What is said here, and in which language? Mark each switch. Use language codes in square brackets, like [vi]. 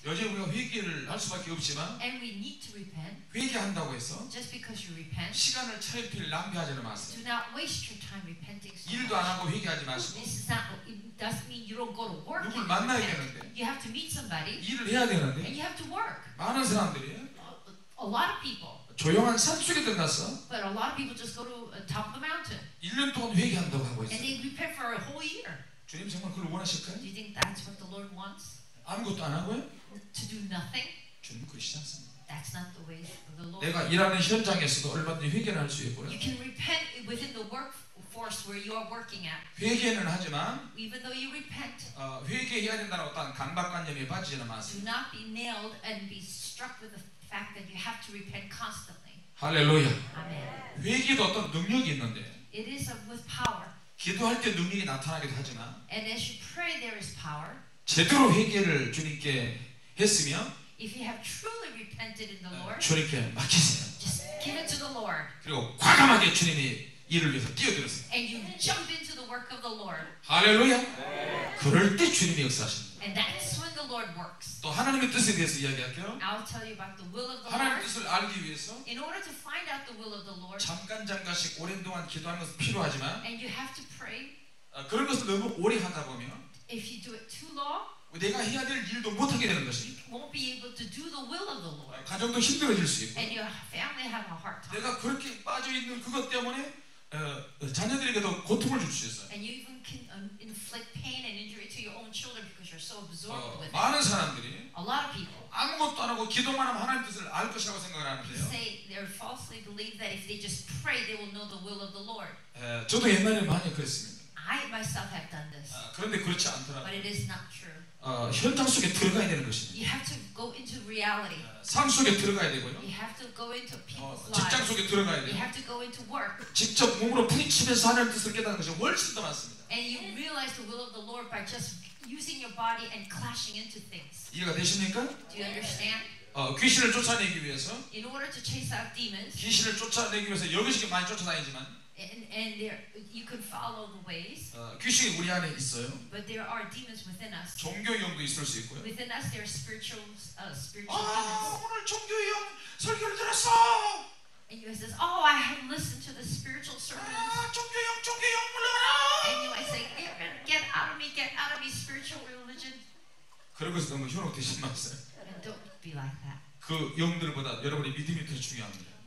[ko] 여전히 우리가 회개를 할 수밖에 없지만 [en] and we need to repent. [ko] 회개한다고 해서 [en] just because you repent, [ko] 시간을 차임피를 낭비하지는 마세요. [en] Do not waste your time repenting. [ko] 일도 안 하고 회개하지 마시고. [en] This is not, it doesn't mean you don't go to work. [ko] 누굴 만나야 되는데. [en] You have to meet somebody. [ko] 일을 해야 되는데. [en] And you have to work. [ko] 많은 사람들이 [en] a lot of people. [ko] 조용한 산 속에 들어갔어. [en] But a lot of people just go to the top of the mountain. [ko] 1년 동안 회개한다고 하고 있어. [en] And they repent for a whole year. [ko] 주님 정말 그걸 원하실까요? [en] Do you think that's what the Lord wants? [ko] 아무것도 안 하고요? [en] To do nothing? [ko] 주님 그러시지 않습니다. [en] That's not the way of the Lord. [ko] 내가 일하는 현장에서도 얼마든지 회개를 할 수 있고요. [en] You can repent within the workforce where you are working at. [ko] 회개는 하지만 [en] even though you repent, [ko] 회개해야 된다는 어떤 강박관념에 빠지지는 마세요. [en] Do not be nailed and be struck with the fact that you have to repent constantly. [ko] 할렐루야. 아멘. 회개도 어떤 능력이 있는데. [en] It is with power. [ko] 기도할 때 능력이 나타나기도 하지만. [en] And as you pray, there is power. [ko] 제대로 회개를 주님께 했으면. [en] If you have truly repented in the Lord. [ko] 주님께 맡기세요. [en] Just give it to the Lord. [ko] 그리고 과감하게 주님이 일을 위해서 뛰어들었어. [en] And you jump into the work of the Lord. [ko] 할렐루야. 그럴 때 주님이 역사하십니다. [en] And that's when the Lord works. [ko] 또 하나님의 뜻에 대해서 이야기할게요. [en] I'll tell you about the will of the Lord. [ko] 하나님의 뜻을 알기 위해서. [en] In order to find out the will of the Lord. [ko] 잠깐 잠깐씩 오랜 동안 기도하는 것은 필요하지만. [en] And you have to pray. [ko] 그런 것을 너무 오래 하다 보면. [en] If you do it too long. [ko] 내가 해야 될 일도 못 하게 되는 것이. [en] You won't be able to do the will of the Lord. [ko] 가정도 힘들어질 수 있고. [en] And your family have a hard time. [ko] 내가 그렇게 빠져 있는 그것 때문에. 자녀들에게도 고통을 줄 수 있어요. [en] And you even can inflict pain and injury to your own children because you're so absorbed with it. [ko] 많은 사람들이 [en] a lot of people [ko] 아무것도 안 하고 기도만 하면 하나님 뜻을 알 것이라고 생각을 하는데요. [en] They say they're falsely believe that if they just pray they will know the will of the Lord. [ko] 저도 옛날에 많이 그랬습니다. [en] I myself have done this. [ko] 그런데 그렇지 않더라고요. [en] But it is not true. [ko] 현장 속에 들어가야 되는 것입니다. [en] You have to go into reality. [ko] 삶 속에 들어가야 되고요. [en] You have to go into people's lives. [ko] 직장 속에 들어가야 돼요. [en] You have to go into work. [ko] 직접 몸으로 부딪히면서 하나님 뜻을 깨닫는 것이 훨씬 더 많습니다. [en] And you realize the will of the Lord by just using your body and clashing into things. [ko] 이해가 되십니까? [en] Do you understand? [ko] 귀신을 쫓아내기 위해서. [en] In order to chase out demons. [ko] 귀신을 쫓아내기 위해서 여기저기 많이 쫓아다니지만. [en] And there, you can follow the ways. [ko] 귀신이 우리 안에 있어요. [en] But there are demons within us. [ko] 종교 영도 있을 수 있고요. [en] Within us, there are spiritual demons. [ko] 오늘 종교 영 설교를 들었어. [en] And you says, oh, I have listened to the spiritual sermon. [ko] 종교 영 물러가라. [en] And you, I say, get out of me, get out of me, spiritual religion. [ko] 그런 것을 너무 현혹되지 마세요. [en] And don't be like that. [ko] 그 영들보다 여러분의 믿음이 더 중요합니다.